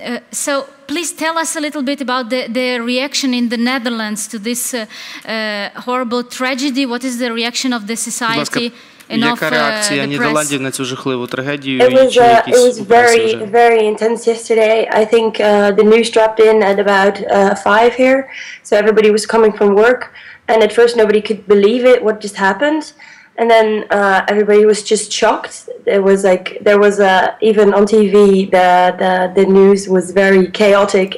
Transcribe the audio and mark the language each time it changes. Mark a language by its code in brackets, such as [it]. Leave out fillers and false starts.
[en] So, please tell us a little bit about the reaction in the Netherlands to this horrible tragedy. What is the reaction of the society? [uk] Яка реакція Нідерландів на цю жахливу трагедію? [en] It was very, very intense yesterday. I think the news dropped in at about 5 here. So everybody was coming from work. And at first nobody could believe it, what just happened. And then everybody was just shocked. There was like, there was even on TV, the news was very chaotic.